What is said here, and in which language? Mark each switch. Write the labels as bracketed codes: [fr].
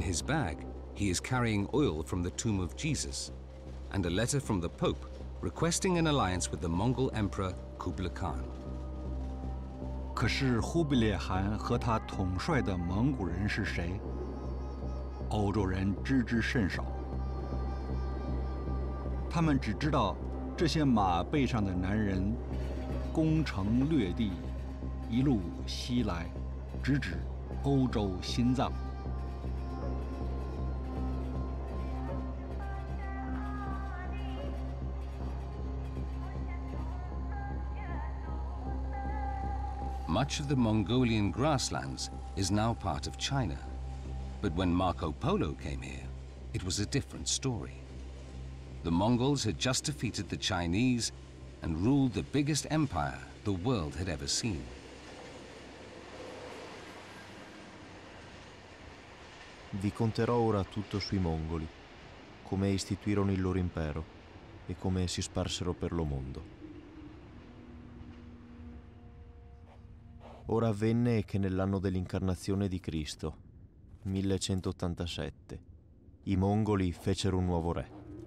[en] his bag, he is carrying oil from the tomb of Jesus and a letter from the Pope requesting an alliance with the Mongol Emperor Kublai Khan. [zh] 可是忽必烈汗和他统帅的蒙古人是谁? 欧洲人知之甚少。他们只知道这些马背上的男人攻城略地，一路西来，直指欧洲心脏。 [en] Much of the Mongolian grasslands is now part of China. But when Marco Polo came here, it was a different story. The Mongols had just defeated the Chinese and ruled the biggest empire the world had ever seen. [it] Vi conterò ora tutto sui Mongoli, come istituirono il loro impero e come si sparsero per lo mondo. Ora avvenne che nell'anno dell'incarnazione di Cristo, 1187, i Mongoli fecero un nuovo re.